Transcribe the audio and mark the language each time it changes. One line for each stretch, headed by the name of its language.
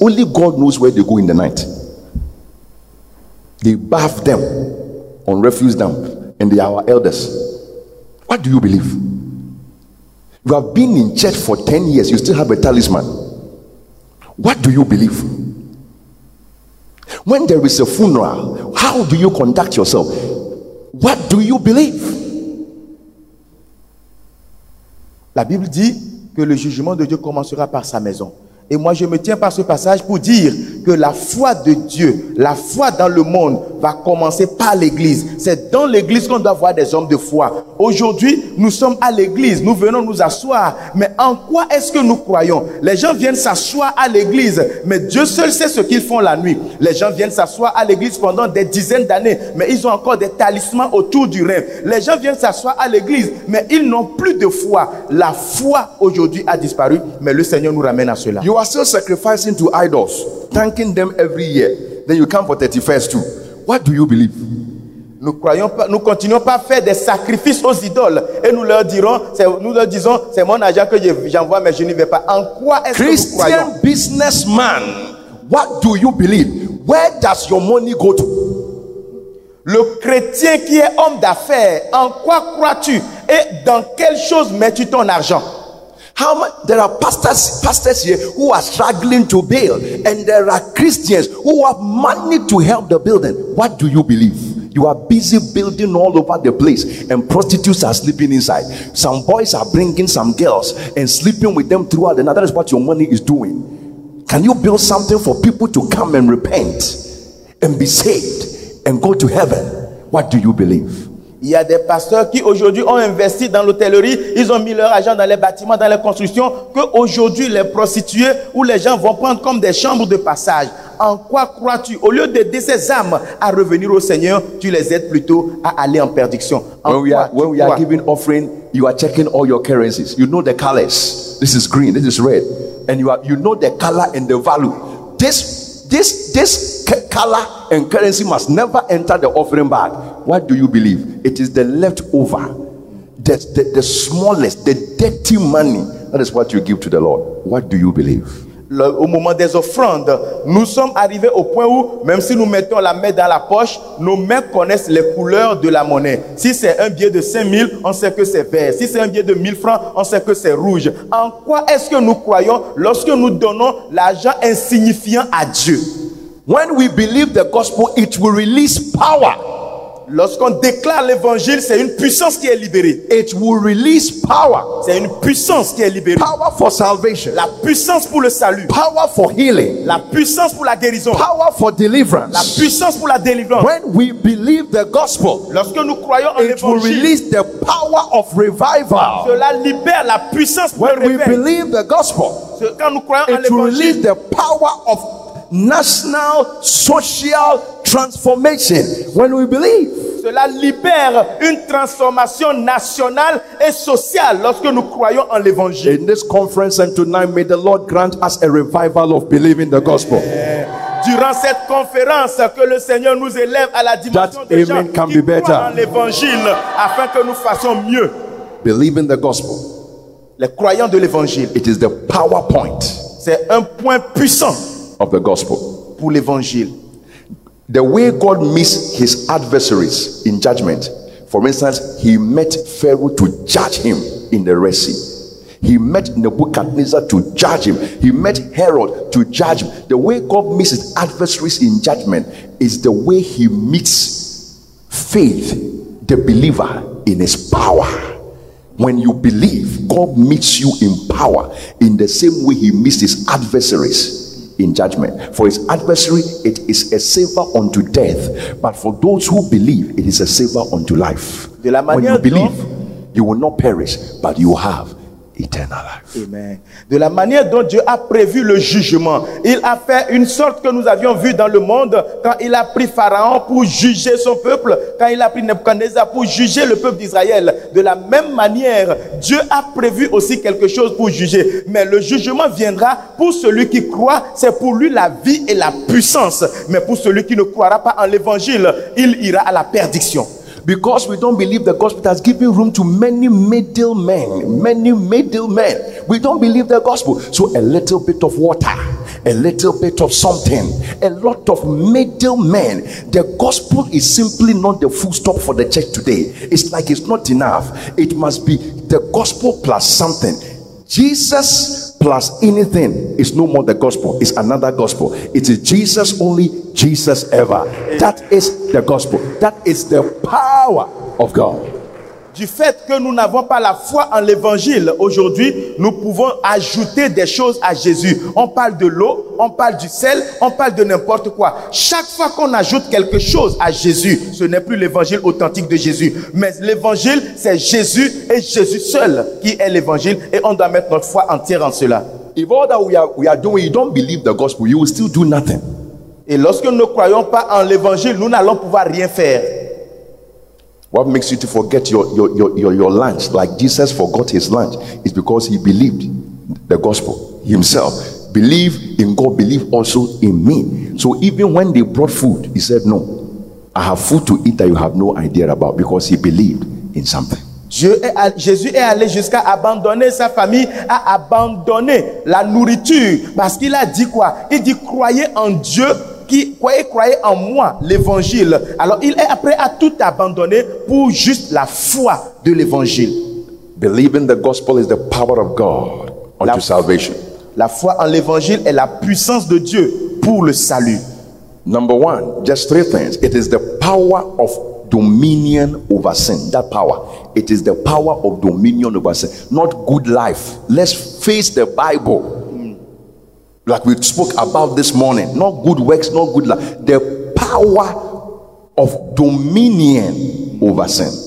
English: Only God knows where they go in the night. They bath them on refuse dump, and they are our elders. What do you believe? You have been in church for 10 years. You still have a talisman. What do you believe? When there is a funeral, how do you conduct yourself? What do you believe?
French: La Bible dit que le jugement de Dieu commencera par sa maison. Et moi, je me tiens par ce passage pour dire que la foi de Dieu, la foi dans le monde, va commencer par l'Église. C'est dans l'Église qu'on doit voir des hommes de foi. Aujourd'hui, nous sommes à l'Église. Nous venons nous asseoir. Mais en quoi est-ce que nous croyons? Les gens viennent s'asseoir à l'Église, mais Dieu seul sait ce qu'ils font la nuit. Les gens viennent s'asseoir à l'Église pendant des dizaines d'années, mais ils ont encore des talismans autour du rein. Les gens viennent s'asseoir à l'Église, mais ils n'ont plus de foi. La foi, aujourd'hui, a disparu, mais le Seigneur nous ramène à cela.
English: You are still sacrificing to idols, thanking them every year. Then you come for 31st too. What do you believe?
French: Nous croyons pas, nous continuons pas à faire des sacrifices aux idoles et nous leur disons c'est mon argent que j'envoie mais je n'y vais pas. En quoi est-ce
English: Christian
French: que vous croyons?
English: Christian businessman, what do you believe? Where does your money go to?
French: Le chrétien qui est homme d'affaires, en quoi crois-tu et dans quelle chose mets-tu ton argent?
English: How much, there are pastors here who are struggling to build, and there are Christians who have money to help the building. What do you believe? You are busy building all over the place, and prostitutes are sleeping inside. Some boys are bringing some girls and sleeping with them throughout the night. That is what your money is doing. Can you build something for people to come and repent and be saved and go to heaven? What do you believe?
French: Il y a des pasteurs qui aujourd'hui ont investi dans l'hôtellerie, ils ont mis leur argent dans les bâtiments, dans les constructions, que aujourd'hui les prostituées ou les gens vont prendre comme des chambres de passage. En quoi crois-tu? Au lieu d'aider ces âmes à revenir au Seigneur, tu les aides plutôt à aller en perdition.
English: When we are giving offering, you are checking all your currencies. You know the colors. This is green, this is red. And you know the color and the value. This color and currency must never enter the offering bag. What do you believe? It is the leftover, the smallest, the dirty money. That is what you give to the Lord. What do you believe?
French: Au moment des offrandes, nous sommes arrivés au point où, même si nous mettons la main dans la poche, nos mains connaissent les couleurs de la monnaie. Si c'est un billet de 5 000, on sait que c'est vert. Si c'est un billet de 1 000 francs, on sait que c'est rouge. En quoi est-ce que nous croyons lorsque nous donnons l'argent insignifiant à Dieu?
English: When we believe the gospel, it will release power.
French: Lorsqu'on déclare l'évangile, c'est une puissance qui est libérée.
English: It will release power.
French: C'est une puissance qui est libérée.
English: Power for salvation.
French: La puissance pour le salut.
English: Power for healing.
French: La puissance pour la guérison.
English: Power for deliverance.
French: La puissance pour la délivrance.
English: When we believe the gospel,
French: lorsque nous croyons en l'évangile,
English: it will release the power of revival.
French: Cela libère la puissance pour le réveil.
English: When we believe the gospel,
French: quand nous croyons en l'évangile,
English: it will release the power of national social transformation. When we believe,
French: cela libère une transformation nationale et sociale lorsque nous croyons en l'évangile.
English: In this conference and tonight, may the Lord grant us a revival of believing the gospel.
French: Durant cette conférence, que le Seigneur nous élève à la dimension
English: that
French: des gens qui croient
English: better
French: en l'évangile, afin que nous fassions mieux.
English: Believing the gospel,
French: les croyants de l'évangile,
English: it is the PowerPoint.
French: C'est un point puissant
English: of the gospel.
French: Pour l'évangile.
English: The way God meets his adversaries in judgment. For instance, he met Pharaoh to judge him in the Red Sea. He met Nebuchadnezzar to judge him. He met Herod to judge him. The way God meets his adversaries in judgment is the way he meets faith, the believer, in his power. When you believe, God meets you in power in the same way he meets his adversaries in judgment. For his adversary, it is a savor unto death, but for those who believe, it is a savor unto life.
French: De la manière
English: when you believe, you will not perish, but you have eternal life. Amen.
French: De la manière dont Dieu a prévu le jugement, il a fait une sorte que nous avions vu dans le monde quand il a pris Pharaon pour juger son peuple, quand il a pris Nebuchadnezzar pour juger le peuple d'Israël. De la même manière, Dieu a prévu aussi quelque chose pour juger. Mais le jugement viendra pour celui qui croit, c'est pour lui la vie et la puissance. Mais pour celui qui ne croira pas en l'évangile, il ira à la perdition.
English: Because we don't believe the gospel, has given room to many middlemen. We don't believe the gospel. So a little bit of water, a little bit of something, a lot of middlemen. The gospel is simply not the full stop for the church today. It's like it's not enough. It must be the gospel plus something. Jesus plus anything is no more the gospel. It's another gospel. It is Jesus only, Jesus ever. That is the gospel. That is the power of God.
French: Du fait que nous n'avons pas la foi en l'évangile aujourd'hui, nous pouvons ajouter des choses à Jésus. On parle de l'eau, on parle du sel, on parle de n'importe quoi. Chaque fois qu'on ajoute quelque chose à Jésus, ce n'est plus l'évangile authentique de Jésus. Mais l'évangile, c'est Jésus et Jésus seul qui est l'évangile, et on doit mettre notre foi entière en cela.
English: If all that we are doing, you don't believe the gospel, you will still do nothing.
French: Et lorsque nous ne croyons pas en l'évangile, nous n'allons pouvoir rien faire.
English: What makes you to forget your lunch, like Jesus forgot his lunch, is because he believed the gospel himself. Believe in God, believe also in me. So even when they brought food, he said, no, I have food to eat that you have no idea about, because he believed in something.
French: Jésus est allé jusqu'à abandonner sa famille, à abandonner la nourriture, parce qu'il a dit quoi? Il dit, croyez en Dieu. Croyez en moi, l'évangile. Alors, il est prêt à tout abandonner pour juste la foi de l'évangile.
English: Believing the gospel is the power of God unto salvation.
French: La foi en l'évangile est la puissance de Dieu pour le salut.
English: Number one, just three things. It is the power of dominion over sin. That power. It is the power of dominion over sin. Not good life. Let's face the Bible. Like we spoke about this morning, not good works, not good life. The power of dominion over sin.